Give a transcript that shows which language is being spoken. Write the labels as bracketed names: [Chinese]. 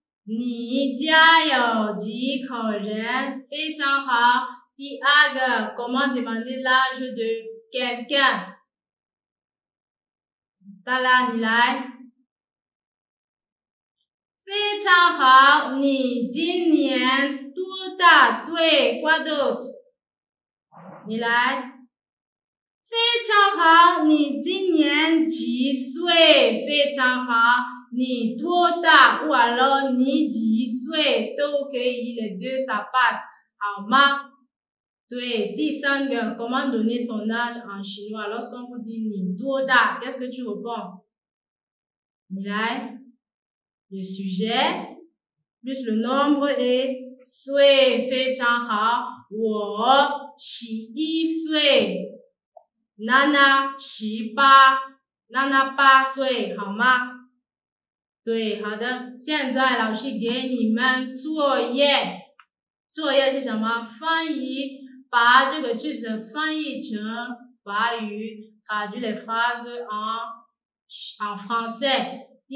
[Chinese] 你家有几口人？非常好。第二个 ， [French] comment demander l'âge de quelqu'un？ [Chinese] 达拉，你来。非常好，你今年多大？对， [French] quoi d'autre？ [Chinese] 你来。非常好，你今年几岁？非常好。你多大? [French] Ou alors, [Chinese] 你几岁都可以, [French] les deux, ça passe. [Chinese] 好吗? 对,第三个, [French] comment donner son âge en chinois? Lorsqu'on vous dit [Chinese] 你多大, [French] qu'est-ce que tu réponds? [Chinese] 你来, [French] le sujet, plus le nombre est [Chinese] 岁,非常好,我十一岁, [French] Nana, [Chinese] 十八, [French] Nana, [Chinese] 八岁, 好吗? 对，好的，现在老师给你们作业。作业是什么？翻译，把这个句子翻译成法语， [French] traduire les phrases en français.